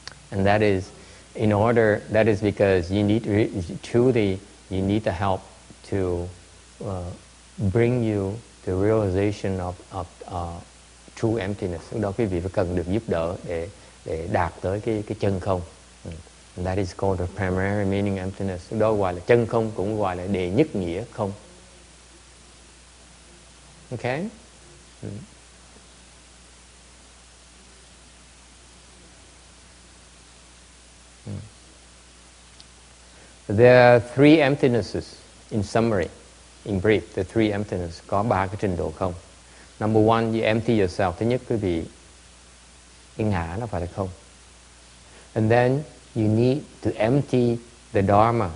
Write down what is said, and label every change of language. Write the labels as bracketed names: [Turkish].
[English] And that is in order, that is because you need truly, you need the help to bring you the realization of true emptiness. [Vietnamese] Lúc đó quý vị phải cần được giúp đỡ để đạt tới cái chân không. [English] And that is called the primary meaning emptiness. [Vietnamese] Lúc đó gọi là chân không, cũng gọi là đệ nhất nghĩa không. [English] Okay? Mm. There are three emptinesses in summary. In brief, the three emptinesses. [Vietnamese] Có ba cái trình độ không. [English] Number one, you empty yourself. [Vietnamese] Thứ nhất, quý vị, cái ngã nó phải là không. [English] And then, you need to empty the Dharma.